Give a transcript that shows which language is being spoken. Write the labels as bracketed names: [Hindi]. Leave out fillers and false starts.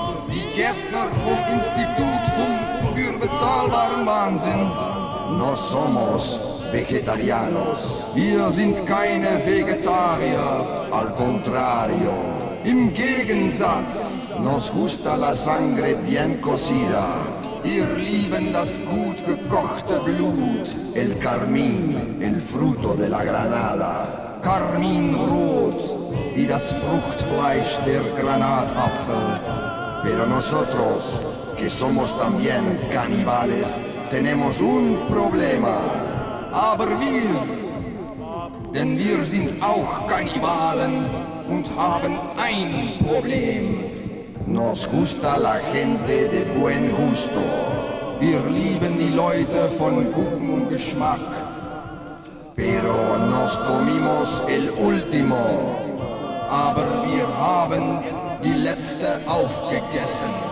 [German] wir, die Gärtner vom Institut für bezahlbaren Wahnsinn, [Spanish] no somos vegetarianos. [German] Wir sind keine Vegetarier. [Spanish] Al contrario. [German] Im Gegensatz. [Spanish] Nos gusta la sangre bien cocida. [German] Wir lieben das gut gekochte Blut. [Spanish] El carmín, el fruto de la granada. [German] Carminrot, wie das Fruchtfleisch der Granatapfel. [Spanish] Pero nosotros, que somos también caníbales, tenemos un problema. [German] Aber wir, denn wir sind auch Kannibalen und haben ein Problem. [Spanish] Nos gusta la gente de buen gusto. [German] Wir lieben die Leute von gutem Geschmack. [Spanish] Pero nos comimos el último. [German] Aber wir haben die letzte aufgegessen.